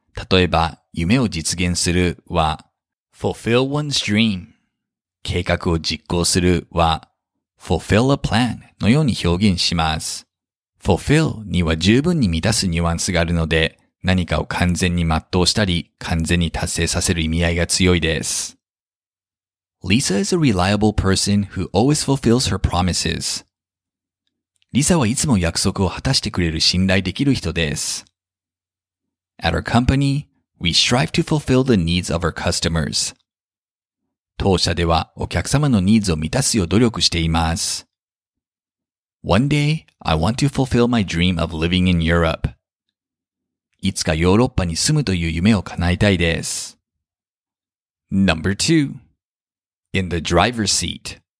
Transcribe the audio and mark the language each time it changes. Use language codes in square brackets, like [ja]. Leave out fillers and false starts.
[ja] 例えば、夢を実現するは、 [en] Fulfill one's dream。 [ja] 計画を実行するは、 [en] Fulfill a plan [ja] のように表現します。 Fulfill には十分に満たすニュアンスがあるので、何かを完全に全うしたり、完全に達成させる意味合いが強いです。 [en] Lisa is a reliable person who always fulfills her promises. [ja] リサはいつも約束を果たしてくれる信頼できる人です。 [en] At our company, we strive to fulfill the needs of our customers. [ja] 当社ではお客様のニーズを満たすよう努力しています。 [en] One day, I want to fulfill my dream of living in Europe. [ja] いつかヨーロッパに住むという夢を叶えたいです。 [en] Number 2. In the driver's seat.